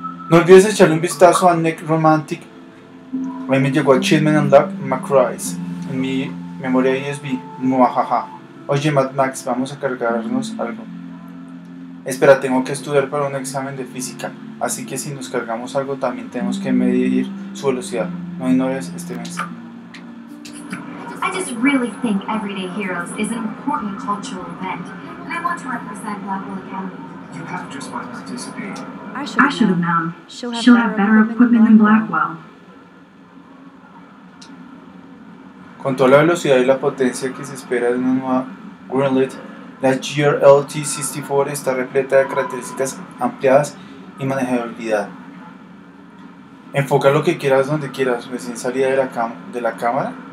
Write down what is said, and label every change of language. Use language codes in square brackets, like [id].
[es] No olvides echarle un vistazo a Nick Romantic. A mí me llegó a Chilman and Luck McCrice en mi memoria USB. Muajaja. Oye, Mad Max, vamos a cargarnos algo. Espera, tengo que estudiar para un examen de física. Así que si nos cargamos algo, también tenemos que medir su velocidad. No ignores este mensaje. [en] I just really think Everyday Heroes is an important cultural event, and I want to represent Blackwell Academy. You have just won participation. I should have known. She'll have better equipment than Blackwell. [es] Con toda la velocidad y la potencia que se espera de una nueva Greenlit, la GRLT64 está repleta de características ampliadas y manejabilidad. Enfoca lo que quieras donde quieras, recién salida de la cámara.